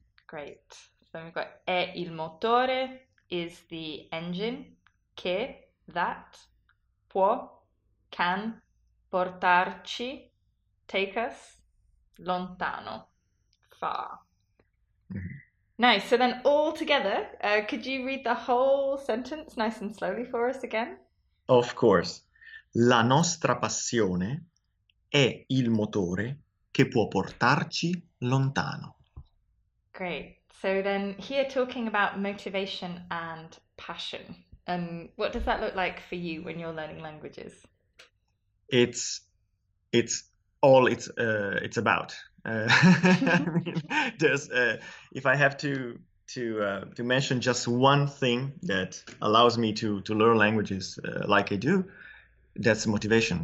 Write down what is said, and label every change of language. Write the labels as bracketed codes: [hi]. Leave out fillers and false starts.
[en] Great. So we've got [it] è il motore [en] is the engine che that può can portarci, take us lontano, far. Nice. So then, all together, could you read the whole sentence nice and slowly for us again? Of course, [it] la nostra passione è il motore che può portarci lontano. [en] Great. So then, here talking about motivation and passion. What does that look like for you when you're learning languages? It's all it's about. I mean, there's if I have to mention just one thing that allows me to learn languages like I do, that's motivation.